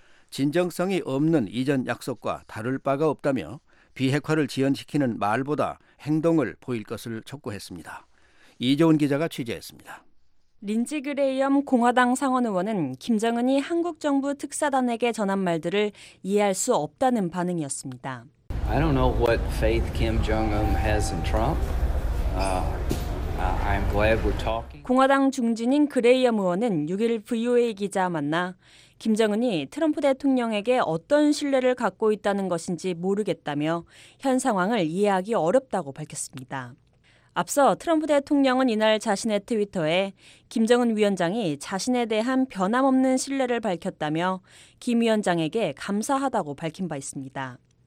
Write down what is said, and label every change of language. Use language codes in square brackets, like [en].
[ko] 진정성이 없는 이전 약속과 다를 바가 없다며 비핵화를 지연시키는 말보다 행동을 보일 것을 촉구했습니다. 이재훈 기자가 취재했습니다. 린지 그레이엄 공화당 상원 의원은 김정은이 한국 정부 특사단에게 전한 말들을 이해할 수 없다는 반응이었습니다. [en] I don't know what faith Kim Jong-un has in Trump. I'm glad we're talking. [ko] 공화당 중진인 그레이엄 의원은 6일 VOA 기자와 만나 김정은이 트럼프 대통령에게 어떤 신뢰를 갖고 있다는 것인지 모르겠다며 현 상황을 이해하기 어렵다고 밝혔습니다. 앞서 트럼프 대통령은 이날 자신의 트위터에 김정은 위원장이 자신에 대한 변함없는 신뢰를 밝혔다며 김 위원장에게 감사하다고 밝힌 바 있습니다.